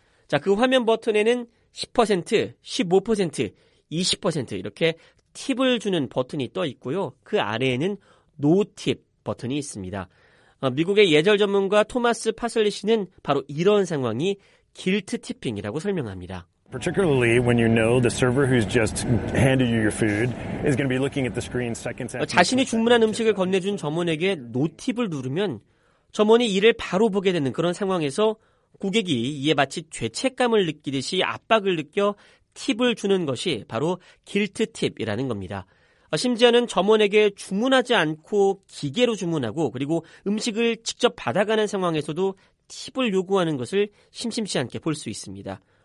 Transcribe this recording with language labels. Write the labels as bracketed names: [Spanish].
[Korean] 자, 그 화면 버튼에는 10%, 15%, 20% 이렇게 팁을 주는 버튼이 떠 있고요. 그 아래에는 노 팁 버튼이 있습니다. 미국의 예절 전문가 토마스 파슬리 씨는 바로 이런 상황이 길트 티핑이라고 설명합니다. [English] Particularly when you know the server who's just handed you your food is going to be looking at the screen seconds after. [Korean] 자신이 주문한 음식을 건네준 점원에게 노팁을 누르면 점원이 이를 바로 보게 되는 그런 상황에서 고객이 이에 마치 죄책감을 느끼듯이 압박을 느껴 팁을 주는 것이 바로 길트 팁이라는 겁니다. 심지어는 점원에게 주문하지 않고 기계로 주문하고 그리고 음식을 직접 받아가는 상황에서도 팁을 요구하는 것을 심심치 않게 볼 수 있습니다.